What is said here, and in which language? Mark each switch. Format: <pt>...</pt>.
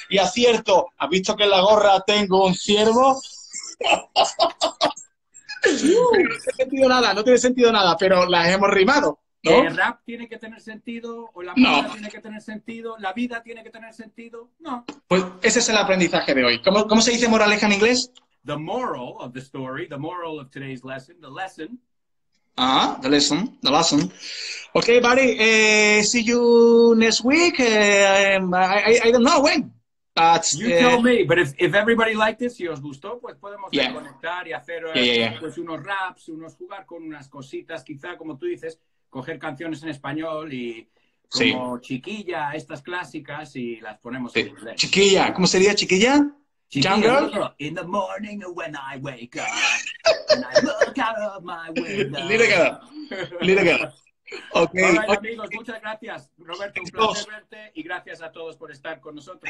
<es>Y acierto, ¿has visto que en la gorra tengo un ciervo? No tiene sentido nada, no tiene sentido nada, pero las hemos rimado, ¿no? El rap tiene que tener sentido, o la música tiene que tener sentido, la vida tiene que tener sentido, no. Pues ese es el aprendizaje de hoy. ¿Cómo se dice moraleja en inglés?</es> <en>The moral of the story, the moral of today's lesson, the lesson. Ah, the lesson, the lesson. Okay, buddy, see you next week. I don't know when. But, you tell me, but if everybody liked this,</en> <es>si os gustó, pues podemos conectar y hacer pues unos raps, unos jugar con unas cositas, quizá, como tú dices, coger canciones en español y como chiquilla, estas clásicas, y las ponemos en inglés. Chiquilla, ¿cómo sería chiquilla?</es> <en>Chiquilla, in the morning when I wake up, and I look out of my window. Little girl. Okay. All right,</en> <es>amigos, muchas gracias. Roberto, un placer verte, y gracias a todos por estar con nosotros.</es>